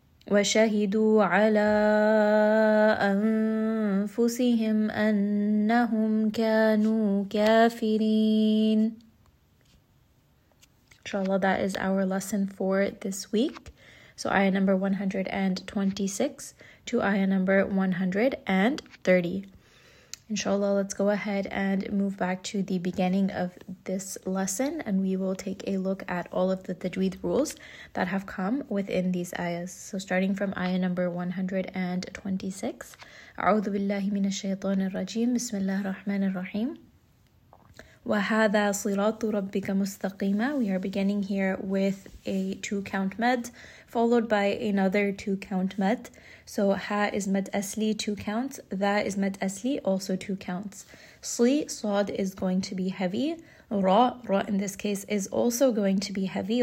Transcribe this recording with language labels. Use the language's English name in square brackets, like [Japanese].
[Arabic] وشهدوا على أنفسهم أنهم كانوا كافرين. [English] Inshallah, that is our lesson for this week. So ayah number 126 to ayah number 130. Inshallah, let's go ahead and move back to the beginning of this lesson and we will take a look at all of the tajweed rules that have come within these ayahs. So starting from ayah number 126. [Arabic] أعوذ بالله من الشيطان الرجيم بسم الله الرحمن الرحيم وهذا صراط ربك مستقيما. [English] We are beginning here with a two count mad followed by another two count mad. So ha is mad asli, two counts. Tha is mad asli, also two counts. Sli, sod, is going to be heavy. Ra in this case is also going to be heavy.